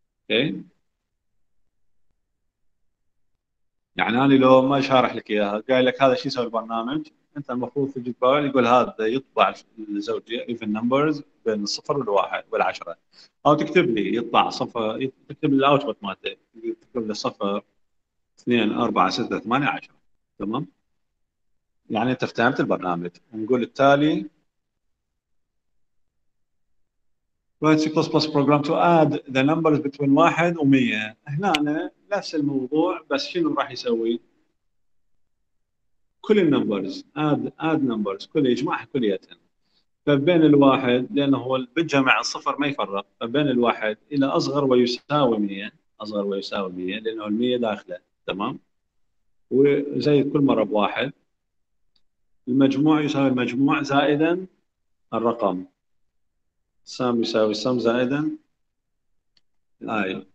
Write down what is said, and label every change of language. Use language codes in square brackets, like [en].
[ar] اوكي يعني انا لو ما شارح لك اياها قال لك هذا شيء يسوي البرنامج، انت المفروض تجي تقول يقول هذا يطبع الزوجية [en] even numbers [ar] بين الصفر والواحد والعشرة، او تكتب لي يطلع صفر، تكتب لي الاوتبوت مالته، تكتب لي صفر 2 4 6 8 10 تمام. يعني انت فهمت البرنامج. [en] نقول التالي C++ program to add the numbers between 1 و 100. [ar] هنا نفس الموضوع بس شنو راح يسوي؟ كل النمبرز [en] add numbers [ar] كل يجمعها كليتها، فبين الواحد لانه هو بجمع الصفر ما يفرق، فبين الواحد الى اصغر ويساوي 100، اصغر ويساوي 100 لانه ال 100 داخله تمام، وزيد كل مره بواحد، المجموع يساوي المجموع زائدا الرقم، سام يساوي سام زائدا الآية.